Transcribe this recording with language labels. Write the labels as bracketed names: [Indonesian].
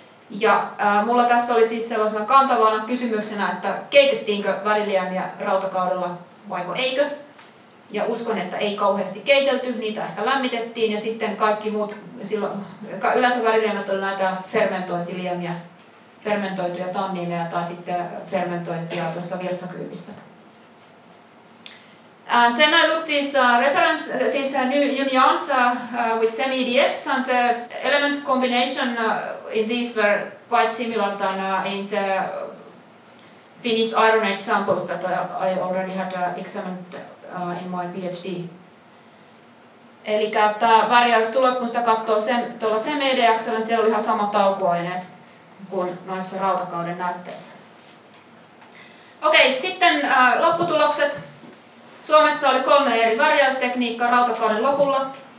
[Finnish] Ja mulla tässä oli siis sellaisena kantavana kysymyksenä, että keitettiinkö väriliemiä rautakaudella vai eikö. Ja uskon, että ei kauheasti keitelty, niitä ehkä lämmitettiin ja sitten kaikki muut, silloin, yleensä väriliemät oli näitä fermentointiliemiä. Fermentoituja tanniineja tai sitten fermentoituja tuossa virtsakyyvissä. [English] And then I looked this reference, this new yarns with semi-EDX and the element combination in these were quite similar than in the Finnish Iron Age samples that I already had examined in my PhD. [Finnish] Eli tämä värjäystulos, kun sitä katsoo sen, tuolla semi-EDX:llä, siellä oli ihan sama taukoaineet kuin noissa rautakauden näytteissä. Okei, sitten lopputulokset. Suomessa oli kolme eri värjäystekniikkaa rautakauden lopulla.